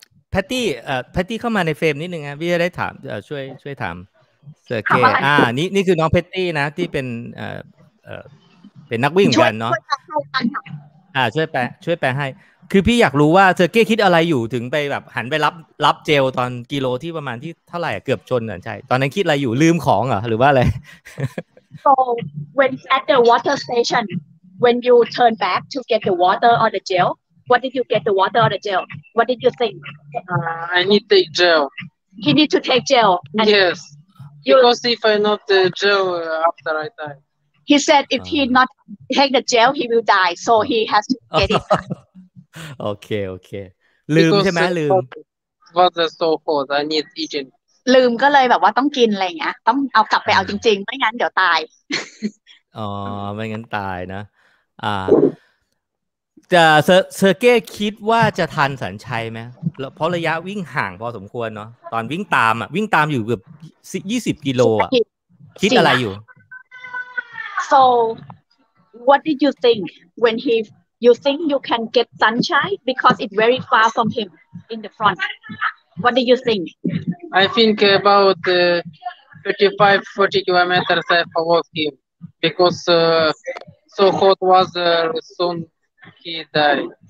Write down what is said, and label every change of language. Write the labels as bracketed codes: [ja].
[th] แพตตี้เข้ามาในเฟรมนิดนึงนะพี่จะได้ถามช่วยถามเซอร์เก้นี่คือน้องแพตตี้นะที่เป็นนักวิ่งกันเนาะช่วยแปลให้คือพี่อยากรู้ว่าเซอร์เก้คิดอะไรอยู่ถึงไปแบบหันไปรับเจลตอนกิโลที่ประมาณที่เท่าไหร่เกือบชนเหรอใช่ตอนนั้นคิดอะไรอยู่ลืมของเหรอหรือว่าอะไร [en] So when at the water station when you turn back to get the water or the gel what did you get the water or the gel what did you think I need to take gel he need to take gel and yes because if I not the gel after I die he said if he not take the gel he will die so he has to get it [th] โอเคโอเคลืมใช่ไหมลืม [en] water so cold I need eating [th] ลืมก็เลยแบบว่าต้องกินอะไรเงี้ยต้องเอากลับไปเอาจริงๆไม่งั้นเดี๋ยวตาย อ๋อไม่งั้นตายนะจะเซอร์เก้คิดว่าจะทันสัญชัยไหมเพราะระยะวิ่งห่างพอสมควรเนาะตอนวิ่งตามอ่ะวิ่งตามอยู่เกือบ20กิโลอ่ะคิดอะไรอยู่ [en] So what did you think when heYou think you can get sunshine because it's very far from him in the front. What do you think? I think about 35-40 kilometers I followed him because so hot was soon he died.